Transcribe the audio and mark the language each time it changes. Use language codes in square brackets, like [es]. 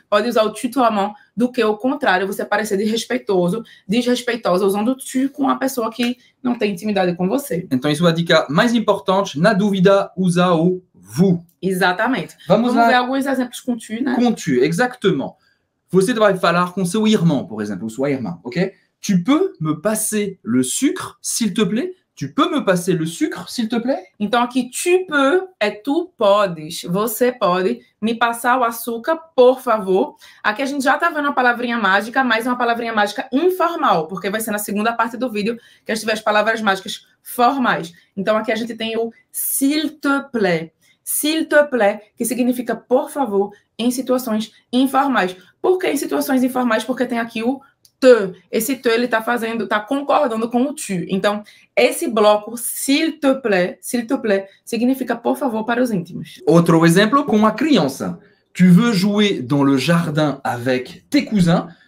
[pt] Pode usar o tu tua mão, do que o contrário, você parecer desrespeitoso, desrespeitosa, usando o tu com a pessoa que não tem intimidade com você. Então, isso é a dica mais importante. Na dúvida, usa o vous. Exatamente. Vamos ver alguns exemplos com tu, né? Com tu, exatement. Você vai falar com seu irmão, por exemplo, sua irmã, ok? [fr] Tu peux me passer le sucre, s'il te plaît? Tu peux me passer le sucre, s'il te plaît? [pt] Então, aqui, tu peux é tu podes. Você pode me passar o açúcar, por favor. Aqui a gente já está vendo uma palavrinha mágica, mas uma palavrinha mágica informal, porque vai ser na segunda parte do vídeo que a gente vê as palavras mágicas formais. Então, aqui a gente tem o s'il te plaît. S'il te plaît, que significa por favor, em situações informais. Por que em situações informais? Porque tem aqui o te. Esse te, ele está fazendo, está concordando com o tu. Então, esse bloco, s'il te plaît, significa por favor para os íntimos. Outro exemplo com uma criança. [fr] Tu veux jouer dans le jardin avec tes cousins?